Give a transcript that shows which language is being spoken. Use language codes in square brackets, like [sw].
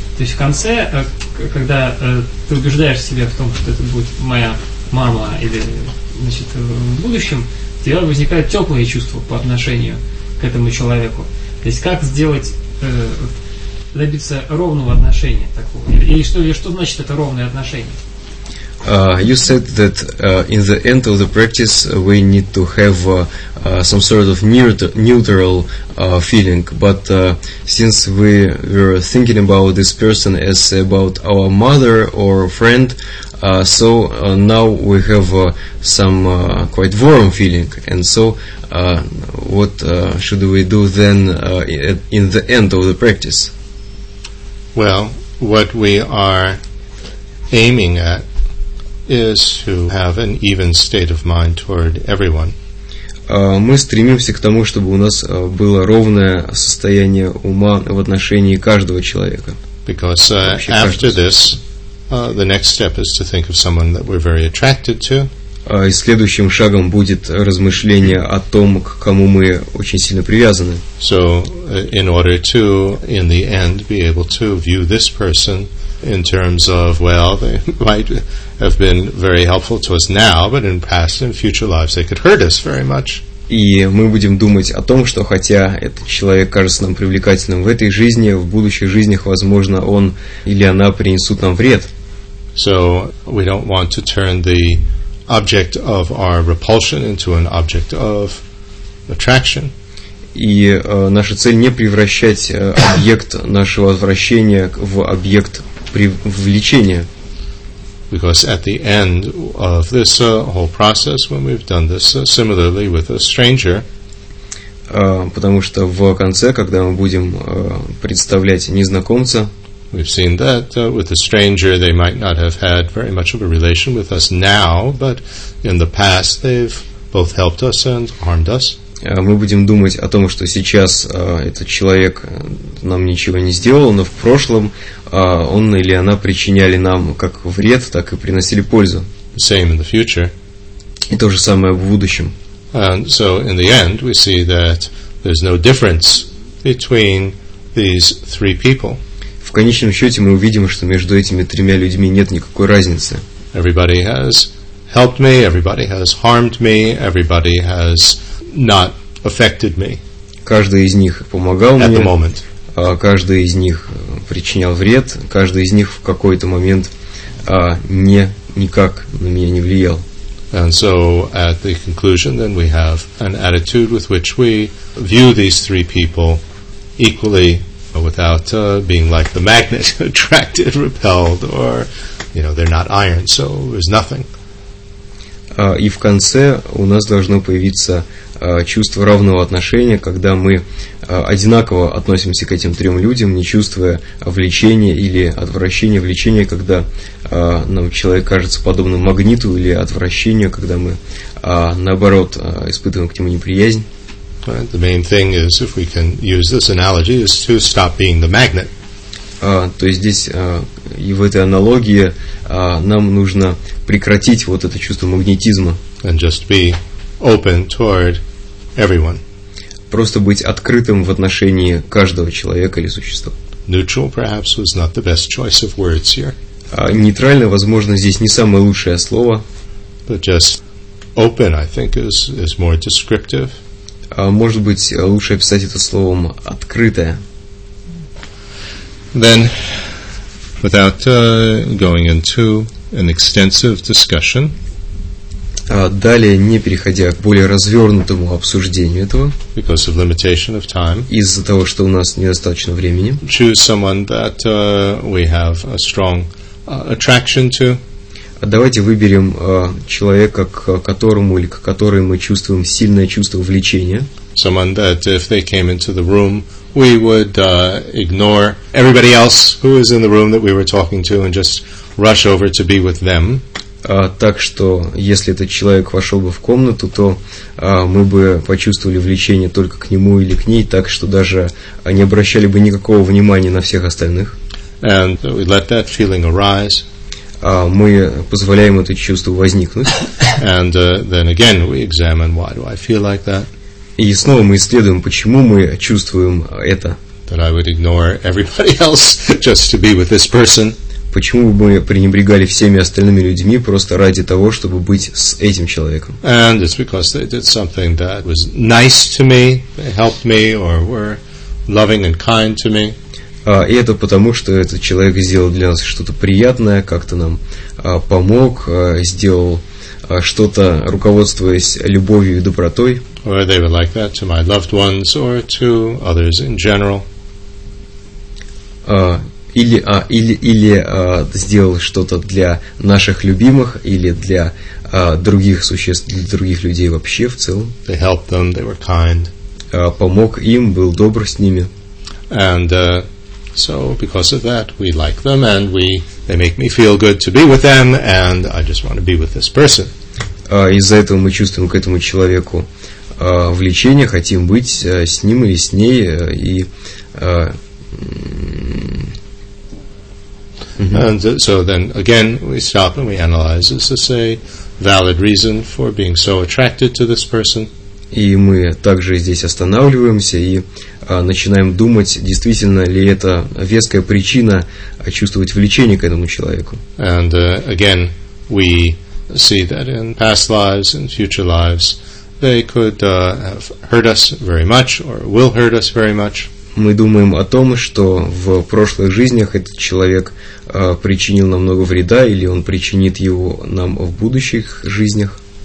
[ru] То есть в конце, когда ты убеждаешь себя в том, что это будет моя мама или значит, в будущем, у тебя возникают теплые чувства по отношению к этому человеку. То есть как сделать... добиться ровного отношения такого. Или что значит это ровное отношение? [en] You said that in the end of the practice we need to have some sort of neutral feeling, but since we were thinking about this person as about our mother or friend, so now we have some quite warm feeling, and so what should we do then in the end of the practice? Well, what we are aiming at is to have an even state of mind toward everyone. [ru] Мы стремимся к тому, чтобы у нас было ровное состояние ума в отношении каждого человека. [en] Because after this, the next step is to think of someone that we're very attracted to. [ru] И следующим шагом будет размышление о том, к кому мы очень сильно привязаны. [en] So, in order to, in the end, be able to view this person in terms of, well, they might have been very helpful to us now, but in past and future lives they could hurt us very much. [ru] И мы будем думать о том, что хотя этот человек кажется нам привлекательным в этой жизни, в будущих жизнях, возможно, он или она принесут нам вред. [en] So, we don't want to turn the object of our repulsion into an object of attraction. [ru] И наша цель не превращать объект нашего возвращения в объект влечения. [en] Because at the end of this whole process, when we've done this similarly with a stranger, [ru] потому что в конце, когда мы будем представлять незнакомца, [en] we've seen that with a stranger they might not have had very much of a relation with us now, but in the past they've both helped us and harmed us. [ru] Мы будем думать о том, что сейчас этот человек нам ничего не сделал, но в прошлом он или она причиняли нам как вред, так и приносили пользу. [en] Same in the future. [ru] И то же самое в будущем. [en] And so in the end we see that there's no difference between these three people. [ru] В конечном счете мы увидим, что между этими тремя людьми нет никакой разницы. [en] Everybody has helped me, everybody has harmed me, everybody has not affected me. [ru] Каждый из них помогал [en] at [ru] мне. [en] At the moment. [ru] Каждый из них причинял вред. Каждый из них в какой-то момент никак на меня не влиял. [en] And so, at the conclusion, then we have an attitude with which we view these three people equally, without being like the magnet, attracted, repelled, or you know, they're not iron, so there's nothing. [ru] И в конце у нас должно появиться чувство равного отношения, когда мы одинаково относимся к этим трем людям, не чувствуя влечения или отвращения. Влечения, когда нам человек кажется подобным магниту, или отвращению, когда мы, наоборот, испытываем к нему неприязнь. [en] The main thing is, if we can use this analogy, is to stop being the magnet. [ru] То есть здесь и в этой аналогии нам нужно прекратить вот это чувство магнетизма. [en] And just be open toward everyone. [ru] Просто быть открытым в отношении каждого человека или существа. [en] Neutral, perhaps, was not the best choice of words here. [ru] Нейтрально, возможно, здесь не самое лучшее слово. [en] But just open, I think, is more descriptive. [ru] Может быть, лучше описать это словом «открытое». [en] Then, without going into an extensive discussion, [ru] далее, не переходя к более развернутому обсуждению этого, [en] because of limitation of time, [ru] из-за того, что у нас недостаточно времени, [en] choose someone that we have a strong attraction to. [ru] Давайте выберем человека, к которому или к которой мы чувствуем сильное чувство влечения. [en] Someone that, if they came into the room, we would ignore everybody else who is in the room that we were talking to and just rush over to be with them. [ru] Так что, если этот человек вошел бы в комнату, то мы бы почувствовали влечение только к нему или к ней, так что даже не обращали бы никакого внимания на всех остальных. [en] And we let that feeling arise. [ru] Мы позволяем это чувство возникнуть. [en] And then again we examine, why do I feel like that? [ru] И снова мы исследуем, почему мы чувствуем это. [en] That I would ignore everybody else just to be with this person. [ru] Почему бы мы пренебрегали всеми остальными людьми просто ради того, чтобы быть с этим человеком? [en] And it's because they did something that was nice to me, they helped me, or were loving and kind to me. [ru] И это потому, что этот человек сделал для нас что-то приятное, как-то нам помог, сделал что-то, руководствуясь любовью и добротой. [en] Or they were like that to my loved ones or to others in general. [ru] Сделал что-то для наших любимых или для других существ, для других людей вообще в целом. [en] They helped them, they were kind. [ru] Помог им, был добр с ними. [en] And so because of that we like them and they make me feel good to be with them and I just want to be with this person. [ru] Из-за этого мы чувствуем к этому человеку влечение, хотим быть с ним или с ней, и [en] And so then again we stop and we analyze, is this a valid reason for being so attracted to this person? [ru] И мы также здесь останавливаемся и начинаем думать, действительно ли это веская причина чувствовать влечение к этому человеку. [en] And again we see that in past lives and future lives they could have hurt us very much or will hurt us very much. [ru] Мы думаем о том, что в прошлых жизнях этот человек причинил нам много вреда, или он причинит его нам в будущих жизнях.